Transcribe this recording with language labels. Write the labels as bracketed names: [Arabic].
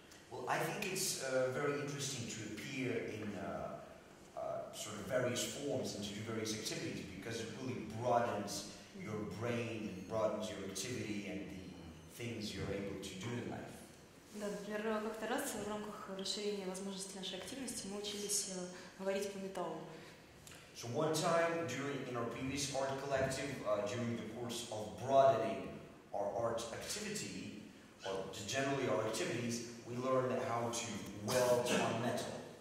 [English] Well, I think it's very interesting to appear in sort of various forms and to do various activities, because it really broadens your brain and broadens your activity and the things you're able to do in life. [Russian] Да, например, как-то раз в рамках расширения возможностей нашей активности мы учились говорить по металлу. [English] So one time during in our previous art collective, during the course of broadening our art activity, or generally our activities, we learned how to weld on metal.